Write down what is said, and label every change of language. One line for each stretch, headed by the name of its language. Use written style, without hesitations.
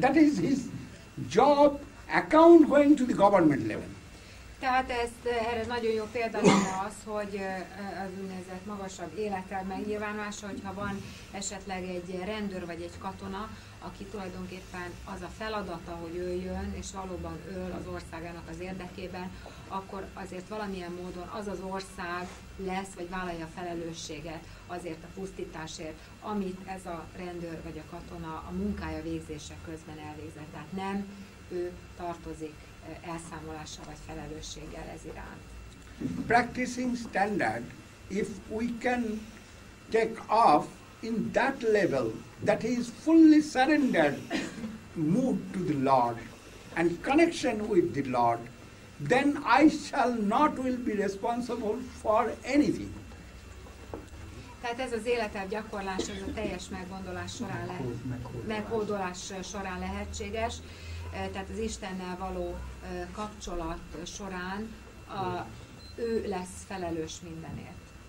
English: That is his job account going to the government level.
Hungarian: Tehát ez erre nagyon jó példa lenne az, hogy az úgynevezett magasabb életrend megnyilvánulása, hogyha van esetleg egy rendőr vagy egy katona, aki tulajdonképpen az a feladata, hogy ő jön és valóban öl az országának az érdekében, akkor azért valamilyen módon az az ország lesz, vagy vállalja a felelősséget azért a pusztításért, amit ez a rendőr vagy a katona a munkája végzése közben elvégzett. Tehát nem ő tartozik elszámolással vagy felelősséggel ez iránt.
English: Practicing standard, if we can take off in that level, that is fully surrendered mood to the Lord and connection with the Lord, then I shall not will be responsible for anything.
Hungarian: Tehát ez az életelv gyakorlás, ez a teljes meggondolás során meghódolás során lehetséges. Tehát az Istennel való kapcsolat során ő lesz felelős mindenért.